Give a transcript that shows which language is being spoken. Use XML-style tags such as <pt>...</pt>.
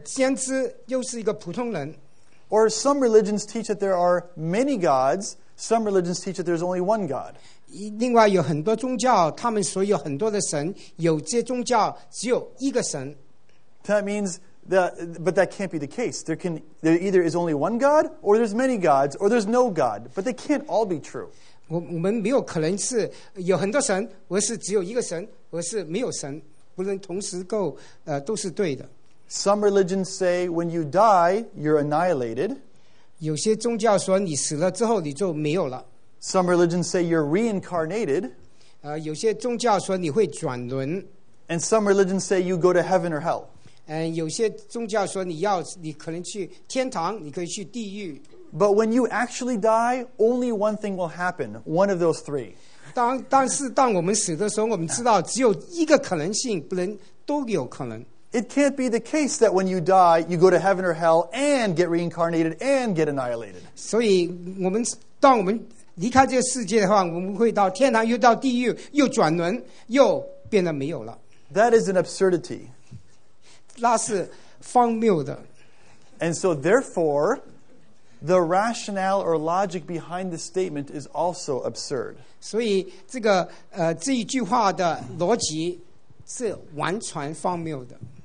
<zh>但是耶稣没有可能是神，又是一个先知，又是一个普通人。</zh> <en>Or some religions teach that there are many gods. Some religions teach that there's only one God.</en> <zh>另外有很多宗教，他们所有很多的神，有些宗教只有一个神。</zh> <en>That means but that can't be the case. There either is only one God, or there's many gods, or there's no God. But they can't all be true.</en> <zh>我们没有可能是有很多神，我是只有一个神，我是没有神，不能同时够，都是对的。</zh> <en>Some religions say when you die, you're annihilated.</en> <zh>有些宗教说你死了之后你就没有了。</zh> <en>Some religions say you're reincarnated.</en> <zh>有些宗教说你会转轮。</zh> <en>And some religions say you go to heaven or hell.</en> <zh>有些宗教说你要你可能去天堂，你可以去地狱。</zh> <en>But when you actually die, only one thing will happen. One of those three.</en> <zh>但是当我们死的时候，我们知道只有一个可能性，不能都有可能。</zh> <en>It can't be the case that when you die, you go to heaven or hell and get reincarnated and get annihilated.</en> <zh>所以我们当我们离开这个世界的话，我们会到天堂，又到地狱，又转轮，又变得没有了。</zh> <en>That is an absurdity.</en> <zh>那是荒谬的。</zh> <en>And so therefore, the rationale or logic behind the statement is also absurd.</en> <zh>所以这个这一句话的逻辑是完全荒谬的。</zh>